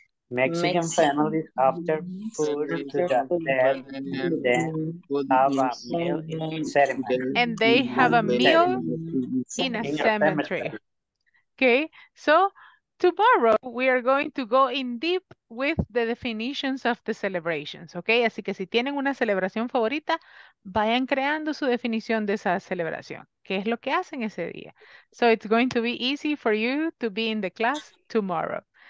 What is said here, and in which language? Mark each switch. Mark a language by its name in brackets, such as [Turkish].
[English] Mexican families, after food to the dead, then have a meal in a cemetery. And they have a meal in a cemetery. Okay, so tomorrow we are going to go in deep with the definitions of the celebrations, okay? [Spanish] Así que si tienen una celebración favorita, vayan creando su definición de esa celebración. ¿Qué es lo que hacen ese día? [English] So it's going to be easy for you to be in the class tomorrow.